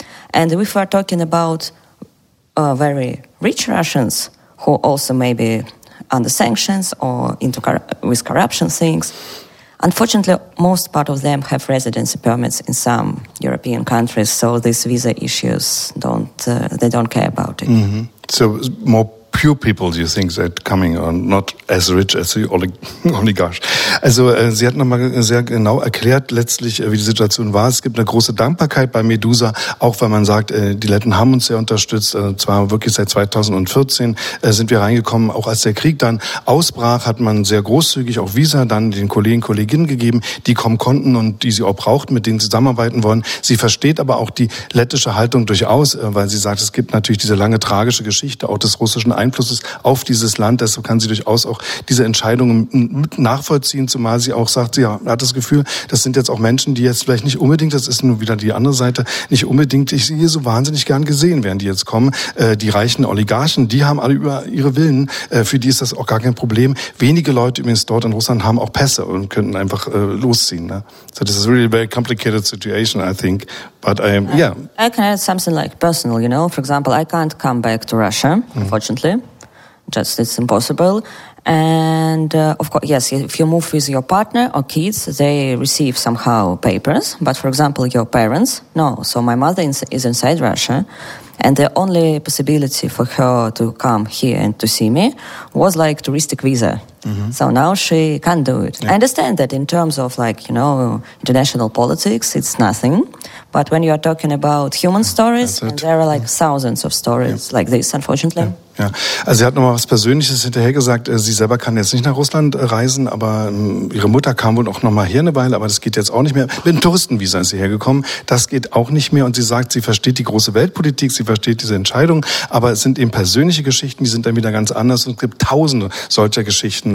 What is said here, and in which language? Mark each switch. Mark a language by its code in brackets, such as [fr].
[en] And if we're talking about very rich Russians who also maybe under sanctions or into with corruption things. Unfortunately, most part of them have residency permits in some European countries, so these visa issues, they don't care about it. Mm-hmm. So more poor people, do you think, that coming on, not as rich as the oligarch? [de] Also sie hat nochmal sehr genau erklärt letztlich, wie die Situation war. Es gibt eine große Dankbarkeit bei Medusa, auch weil man sagt, die Letten haben uns sehr unterstützt. Zwar wirklich seit 2014 sind wir reingekommen, auch als der Krieg dann ausbrach, hat man sehr großzügig auch Visa dann den Kollegen, Kolleginnen gegeben, die kommen konnten und die sie auch braucht, mit denen zusammenarbeiten wollen. Sie versteht aber auch die lettische Haltung durchaus, weil sie sagt, es gibt natürlich diese lange tragische Geschichte auch des russischen Einflusses auf dieses Land. Deshalb kann sie durchaus auch diese Entscheidungen nachvollziehen. Zumal sie auch sagt, sie hat das Gefühl, das sind jetzt auch Menschen, die jetzt vielleicht nicht unbedingt, das ist nun wieder die andere Seite, nicht unbedingt sie so wahnsinnig gern gesehen werden, die jetzt kommen. Die reichen Oligarchen, die haben alle über ihre Willen, für die ist das auch gar kein Problem. Wenige Leute übrigens dort in Russland haben auch Pässe und könnten einfach losziehen. Ne? [en] So this is a really very complicated situation, I think. But I am, yeah. I can add something like personal, you know. For example, I can't come back to Russia, unfortunately. Just it's impossible. And, of course, yes, if you move with your partner or kids, they receive somehow papers. But, for example, your parents, no. So my mother is inside Russia. And the only possibility for her to come here and to see me was, like, touristic visa. Mm-hmm. So now she can't do it. Yeah. I understand that in terms of, like, you know, international politics, it's nothing. But when you are talking about human stories, there are, like, thousands of stories like this, unfortunately. Yeah. [de] Ja, also sie hat nochmal was Persönliches hinterher gesagt, sie selber kann jetzt nicht nach Russland reisen, aber ihre Mutter kam wohl auch nochmal her eine Weile, aber das geht jetzt auch nicht mehr. Mit einem Touristenvisa ist sie hergekommen, das geht auch nicht mehr und sie sagt, sie versteht die große Weltpolitik, sie versteht diese Entscheidung, aber es sind eben persönliche Geschichten, die sind dann wieder ganz anders und es gibt tausende solcher Geschichten.